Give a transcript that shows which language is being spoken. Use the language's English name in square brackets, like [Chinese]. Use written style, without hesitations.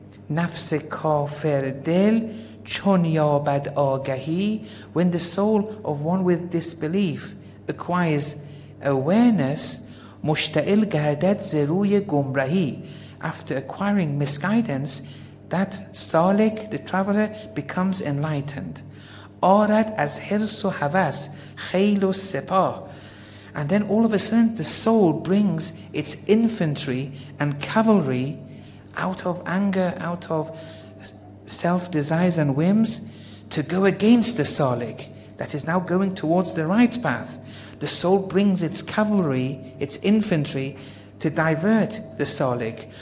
[Persian] نفس کافر دل چون یابد آگهی. [English] When the soul of one with disbelief acquires awareness, [Persian] مشتعل گردد زروی گمراهی. [English] After acquiring misguidance, that سالک, the traveler, becomes enlightened. [Persian] آرد از حرص و هوس خیل و سپاه. [English] And then all of a sudden the soul brings its infantry and cavalry out of anger, out of self-desires and whims, to go against the سالک that is now going towards the right path. The soul brings its cavalry, its infantry, to divert the salik.